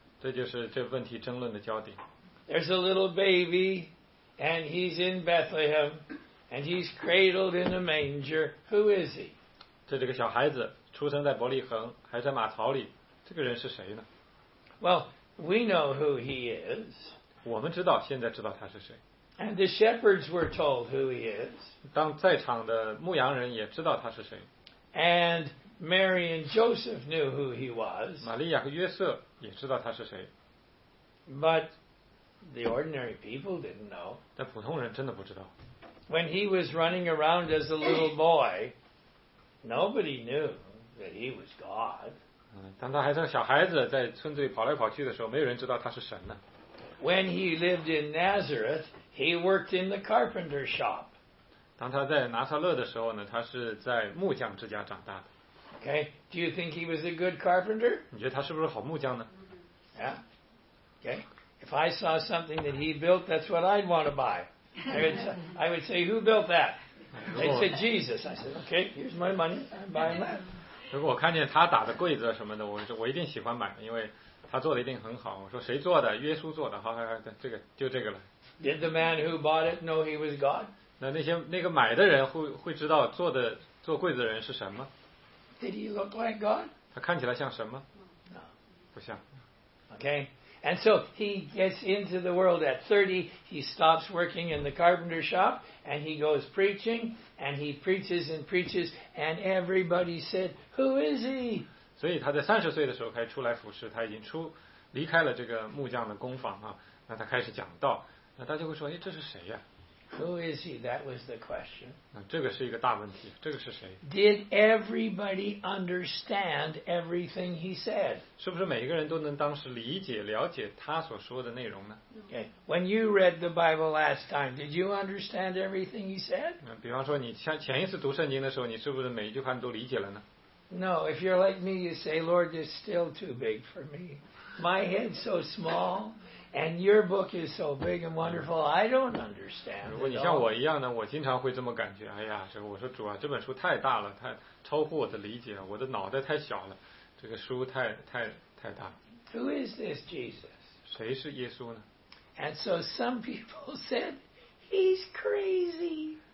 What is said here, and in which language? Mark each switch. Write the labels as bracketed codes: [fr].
[zh] 这就是这问题争论的焦点。 [en] There's a little baby, and he's in Bethlehem, and he's cradled in a manger. Who is he? [zh] 这个小孩子出生在伯利恒，还在马槽里，这个人是谁呢？ [en] Well, we know who he is. [zh] 我们知道，现在知道他是谁。 [en] And the shepherds were told who he is. [zh] 当在场的牧羊人也知道他是谁。 [en] And Mary and Joseph knew who he was. [zh] 玛利亚和约瑟也知道他是谁。 [en] But the ordinary people didn't know. [zh] 但普通人真的不知道。 [en] When he was running around as a little boy, nobody knew that he was God. [zh] 当他还是小孩子在村子里跑来跑去的时候，没有人知道他是神呢。 [en] When he lived in Nazareth, he worked in the carpenter shop. [zh] 当他在拿撒勒的时候呢，他是在木匠之家长大的。 [en] Okay, do you think he was a good carpenter? [zh] 你觉得他是不是好木匠呢？ [en] Yeah. Okay. If I saw something that he built, that's what I'd want to buy. I would say, who built that? They said, Jesus. I said, okay, here's my money. I'm buying that. [zh] 如果我看见他打的柜子什么的，我一定喜欢买，因为他做的一定很好。我说谁做的？耶稣做的。好好好，这个就这个了。 [en] Did the man who bought it know he was God? [zh] 那些买的人会知道做柜子的人是什么？ [en] Did he look like God? [zh] 他看起来像什么？ [en] No. [zh] 不像。 [en] Okay. And so he gets into the world at 30. He stops working in the carpenter shop and he goes preaching and he preaches and preaches and everybody said, Who is he? [zh] 所以他在30岁的时候开始出来服侍，他已经离开了这个木匠的工坊啊。那他开始讲道，那大家会说，哎，这是谁呀？ [en] Who is he? That was the question. [zh] 那这个是一个大问题，这个是谁？ [en] Did everybody understand everything he said? [zh] 是不是每一个人都能当时理解了解他所说的内容呢？ [en] Okay. When you read the Bible last time, did you understand everything he said? [zh] 比方说你前一次读圣经的时候，你是不是每一句话都理解了呢？ [en] No. If you're like me, you say, Lord, this is still too big for me. My head's so small. And your book is so big and wonderful, I don't understand. [zh] 如果你像我一样呢，我经常会这么感觉，哎呀，我说主啊，这本书太大了，太超乎我的理解，我的脑袋太小了，这个书太大。 [en] Who is this Jesus? [zh] 谁是耶稣呢？ [en] And so some people said, he's crazy.